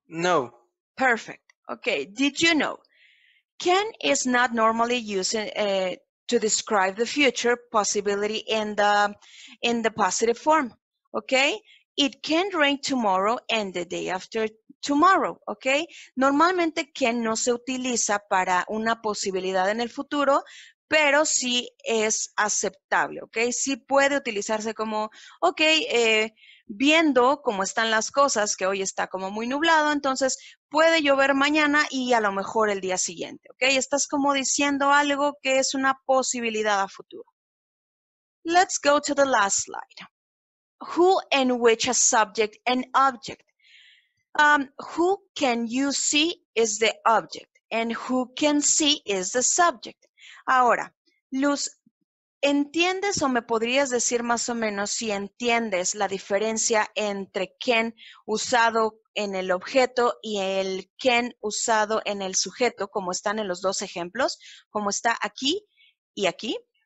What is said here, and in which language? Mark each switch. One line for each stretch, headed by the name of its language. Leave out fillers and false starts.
English: No. Perfect. Okay. Did you know? Can is not normally used to describe the future possibility in the positive form. Okay. It can rain tomorrow and the day after tomorrow.
Spanish: Okay. Normalmente can no se utiliza para una posibilidad en el futuro, pero sí es aceptable, ¿ok? Sí puede utilizarse como, ok, viendo cómo están las cosas, que hoy está como muy nublado, entonces puede llover mañana y a lo mejor el día siguiente, ¿ok? Estás como diciendo algo que es una posibilidad a futuro.
English: Let's go to the last slide. Who and which a subject and object? Who can you see is the object, and who can see is the subject.
Spanish: Ahora, Luz, ¿entiendes o me podrías decir más o menos si entiendes la diferencia entre can usado en el objeto y el can usado en el sujeto, como están en los dos ejemplos, como está aquí y aquí?